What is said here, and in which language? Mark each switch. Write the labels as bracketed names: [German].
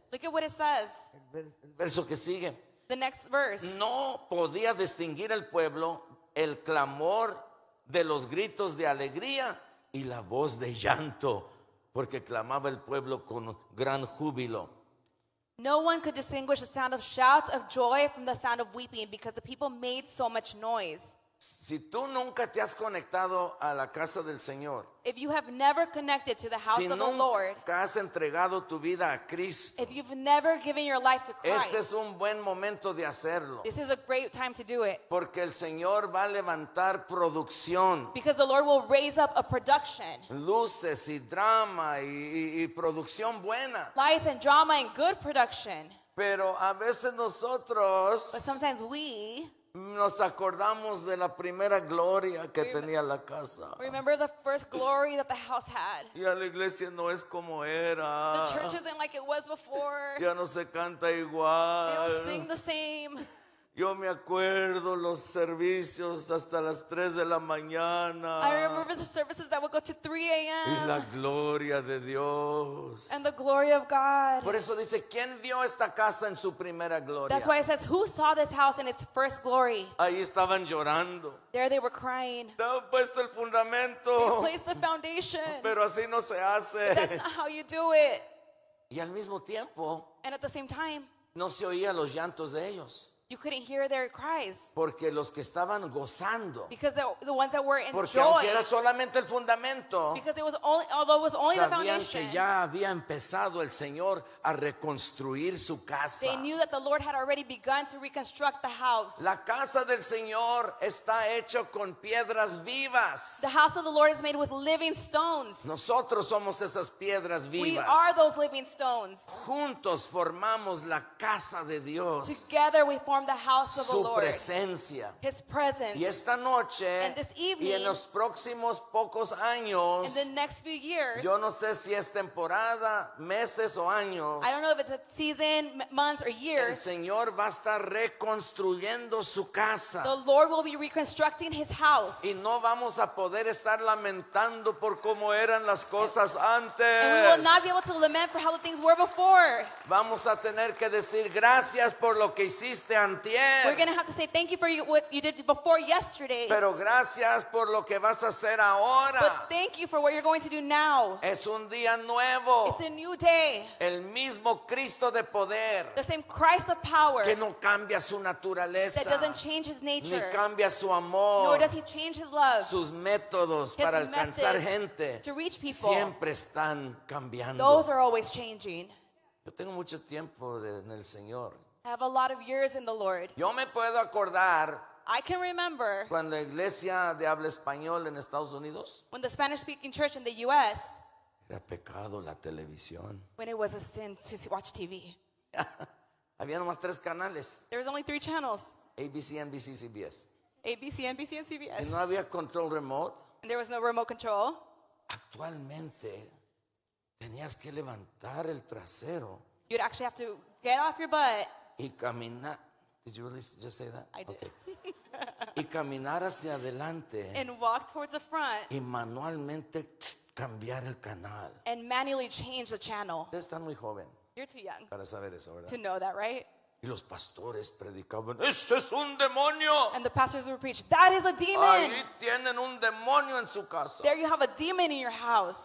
[English] Look at what it says. [Spanish] Verso que sigue. [English] The next verse. [Spanish] No podía distinguir el pueblo el clamor de los gritos de alegría y la voz de llanto, porque clamaba el pueblo con gran júbilo. [English] No one could distinguish the sound of shouts of joy from the sound of weeping because the people made so much noise. [Spanish] Si tú nunca te has conectado a la casa del Señor, [English] if you have never connected to the house [Spanish] si [English] of the Lord, [Spanish] nunca has entregado tu vida a Cristo, [English] if you've never given your life to Christ, [Spanish] este es un buen momento de hacerlo. [English] This is a great time to do it. [Spanish] Porque el Señor va a levantar producción. [English] Because the Lord will raise up a production. [Spanish] Luces y drama y producción buena. [English] Lights and drama and good production. [Spanish] Pero a veces nosotros, [English] but sometimes we, [Spanish] nos acordamos de la primera gloria que tenía la casa. [English] Remember the first glory that the house had. [Spanish] Ya la iglesia no es como era. [English] The church isn't like it was before. [Spanish] Ya no se canta igual. [English] They don't sing the same. [Spanish] Yo me acuerdo los servicios hasta las 3 de la mañana. [English] I remember the services that would go to 3 a.m. [Spanish] Y la gloria de Dios. [English] And the glory of God. [Spanish] Por eso dice, ¿quién vio esta casa en su primera gloria? [English] That's why it says, who saw this house in its first glory? [Spanish] Ahí estaban llorando. [English] There they were crying. [Spanish] Estaban puesto el fundamento. [English] They placed the foundation. [Spanish] Pero así no se hace. [English] But that's not how you do it. [Spanish] Y al mismo tiempo, [English] and at the same time, [Spanish] no se oía los llantos de ellos. [English] You couldn't hear their cries. [Spanish] Porque los que estaban gozando. [English] Because the ones that were in [Spanish] porque [English] joy. [Spanish] Porque aunque era solamente el fundamento. [English] Because it was only, although it was only [Spanish] sabían [English] the foundation. [Spanish] Que ya había empezado el Señor a reconstruir su casa. [English] They knew that the Lord had already begun to reconstruct the house. [Spanish] La casa del Señor está hecho con piedras vivas. [English] The house of the Lord is made with living stones. [Spanish] Nosotros somos esas piedras vivas. [English] We are those living stones. [Spanish] Juntos formamos la casa de Dios. [English] Together we form the house of [Spanish] su [English] the Lord. [Spanish] Presencia. [English] His presence. [Spanish] Y esta noche, [English] and this evening. [Spanish] Y en los próximos pocos años, [English] in the next few years. [Spanish] Yo no sé si es temporada, meses, o años, [English] I don't know if it's a season, months, or years. [Spanish] El Señor va a estar reconstruyendo su casa. [English] The Lord will be reconstructing his house. [Spanish] Y no vamos a poder estar lamentando por cómo eran las cosas antes. [English] And we will not be able to lament for how the things were before. [Spanish] Vamos a tener que decir gracias por lo que hiciste. [English] We're going to have to say thank you for what you did before yesterday. [Spanish] Pero gracias por lo que vas a hacer ahora. [English] But thank you for what you're going to do now. [Spanish] Es un día nuevo. [English] It's a new day. [Spanish] El mismo Cristo de poder. [English] The same Christ of power. [Spanish] Que no cambia su naturaleza. [English] That doesn't change his nature. [Spanish] Ni cambia su amor. [English] Nor does he change his love. [Spanish] Sus métodos [English] his [Spanish] para alcanzar gente. [English] To reach people. [Spanish] Siempre están cambiando. [English] Those are always changing. [Spanish] Yo tengo mucho tiempo en el Señor. [English] I have a lot of years in the Lord. [Spanish] Yo me puedo acordar. [English] I can remember. [Spanish] Cuando la iglesia de habla español en Estados Unidos. [English] When the Spanish-speaking church in the U.S. [Spanish] Era pecado la televisión. [English] When it was a sin to watch TV. [Spanish] Había nomás tres canales. [English] There was only three channels. [Spanish] ABC, NBC, CBS. [English] ABC, NBC, and CBS. [Spanish] Y no había control remote. [English] And there was no remote control. [Spanish] Actualmente, tenías que levantar el trasero. [English] You'd actually have to get off your butt. [Spanish] Y caminar. [English] Did you really just say that? I did. Okay. [Spanish] Y caminar hacia adelante. [English] And walk towards the front. [Spanish] Y manualmente cambiar el canal. [English] And manually change the channel. [Spanish] Ustedes están muy joven. [English] You're too young. [Spanish] Para saber eso, ¿verdad? [English] To know that, right? [Spanish] Y los pastores predicaban, ¡eso es un demonio! [English] And the pastors would preach, [Spanish] ¡that is a demon! Ahí tienen un demonio en su casa. [English] There you have a demon in your house.